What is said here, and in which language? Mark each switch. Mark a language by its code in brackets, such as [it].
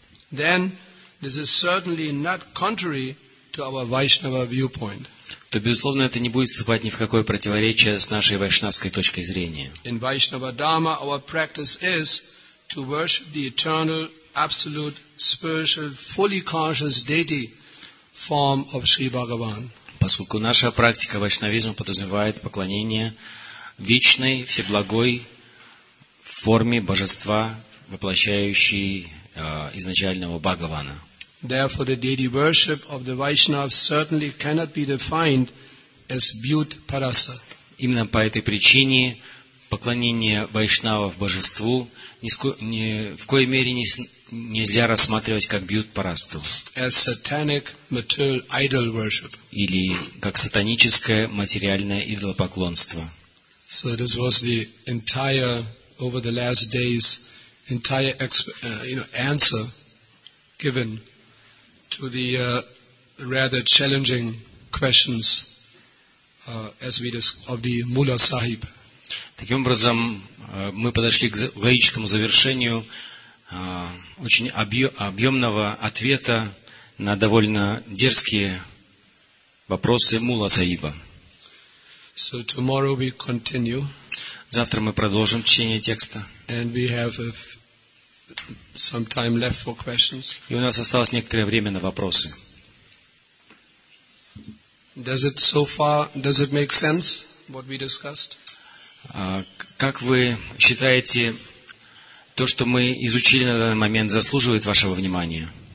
[en] then this is certainly not contrary to our Vaishnava viewpoint. [ru] То, безусловно, это не будет вступать ни в какое противоречие с нашей вайшнавской точкой зрения. [en] In Vaishnava Dharma, our practice is to worship the eternal, absolute, spiritual, fully conscious deity form of Sri Bhagavan. [ru] Поскольку наша практика вайшнавизма подразумевает поклонение вечной, всеблагой, в форме божества, воплощающей изначального Бхагавана. [en] Therefore, the deity worship of the Vaishnav certainly cannot be defined as Bhut Parasa. [ru] Именно по этой причине поклонение вайшнавов божеству в коей мере нельзя рассматривать как бьют парасту. [en] As satanic material idol worship. [ru] Или как сатаническое материальное идолопоклонство. [en] So this was the entire, over the last days, entire answer given to the rather challenging questions of the Mula Sahib. [ru] Таким образом, мы подошли к логическому завершению очень объемного ответа на довольно дерзкие вопросы Мула Саиба. [en] So tomorrow we continue. [ru] Завтра мы продолжим чтение текста. [en] And we have some time left for questions. [ru] И у нас осталось некоторое время на вопросы. [en] Does it so far, does it make sense what we discussed? [ru] Как вы считаете, то, что мы изучили на данный момент, заслуживает вашего внимания?